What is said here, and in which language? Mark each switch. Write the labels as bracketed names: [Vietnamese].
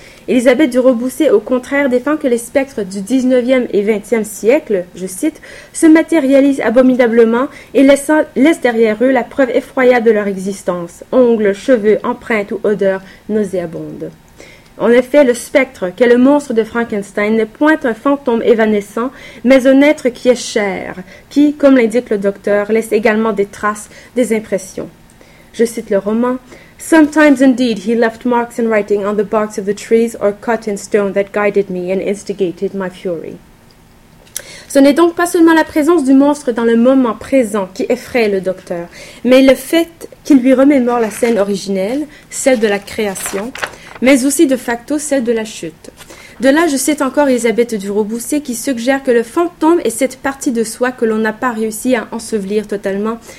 [French] Élisabeth du Rebousset, au contraire, défend que les spectres du 19e et 20e siècle, je cite, se matérialisent abominablement et laissent derrière eux la preuve effroyable de leur existence, ongles, cheveux, empreintes ou odeurs nauséabondes. En effet, le spectre, qu'est le monstre de Frankenstein, n'est point un fantôme évanescent, mais un être qui est chair, qui, comme l'indique le docteur, laisse également des traces, des impressions. Je cite le roman. [English] Sometimes indeed he left marks in writing on the barks of the trees or cut in stone that guided me and instigated my fury. [French] Ce n'est donc pas seulement la présence du monstre dans le moment présent qui effraie le docteur, mais le fait qu'il lui remémore la scène originelle, celle de la création, mais aussi de facto celle de la chute. De là, je cite encore Élisabeth du Rebousset qui suggère que le fantôme est cette partie de soi que l'on n'a pas réussi à ensevelir totalement.